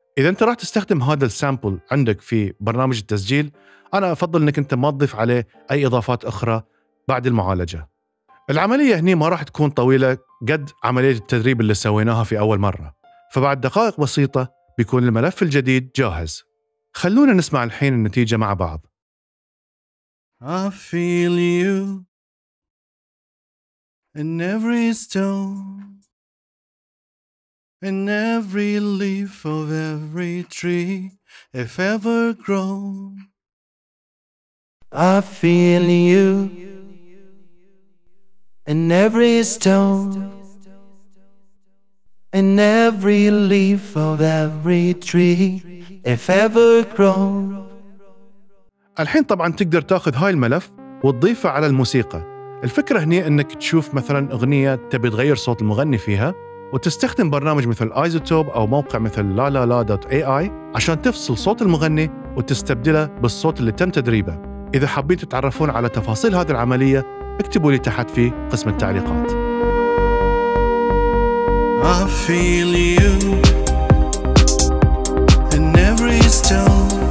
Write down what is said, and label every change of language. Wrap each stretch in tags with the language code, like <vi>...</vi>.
<ar>إذا أنت راح تستخدم هذا السامبل عندك في برنامج التسجيل، أنا أفضل أنك أنت ما تضيف عليه أي إضافات أخرى بعد المعالجة. العملية هنا ما راح تكون طويلة قد عملية التدريب اللي سويناها في أول مرة، فبعد دقائق بسيطة بيكون الملف الجديد جاهز. خلونا نسمع الحين النتيجة مع بعض.</ar> <en>I feel you in every stone, in every leaf of every tree, if ever grown. I feel you in every stone, in every leaf of every tree, if ever grown.</en> <ar>الحين طبعاً تقدر تأخذ هاي الملف وتضيفه على الموسيقى. الفكرة هنا أنك تشوف مثلاً أغنية تبي تغير صوت المغني فيها وتستخدم برنامج مثل آيزوتوب أو موقع مثل lalala.ai عشان تفصل صوت المغني وتستبدله بالصوت اللي تم تدريبه. إذا حبيت تتعرفون على تفاصيل هذه العملية اكتبوا لي تحت في قسم التعليقات.</ar> <en>I feel you in every stone.</en>